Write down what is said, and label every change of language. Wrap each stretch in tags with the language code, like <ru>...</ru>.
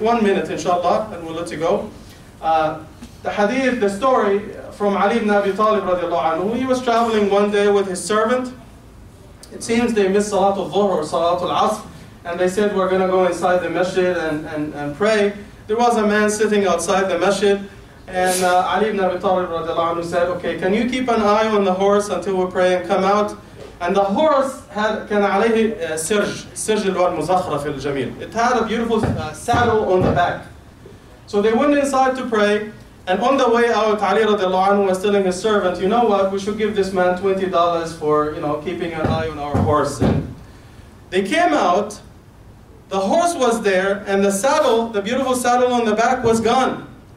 <en>1 minute, inshallah, and we'll let you go. The story from Ali ibn Abi Talib, radiallahu anhu, he was traveling one day with his servant. It seems they missed Salatul Dhuhr or Salatul Asr, and they said, we're going to go inside the masjid and pray. There was a man sitting outside the masjid, and Ali ibn Abi Talib radiallahu anhu said, okay, can you keep an eye on the horse until we pray and come out? And the horse had</en> <ar>كان عليه سرج سرج اللي هو المزخرف الجميل.</ar> <en>It had a beautiful saddle on the back. So they went inside to pray, and on the way out, Ali radiallahu anhu was telling his servant, you know what, we should give this man $20 for, you know, keeping an eye on our horse. And they came out, the horse was there, and the saddle, the beautiful saddle on the back, was gone.</en>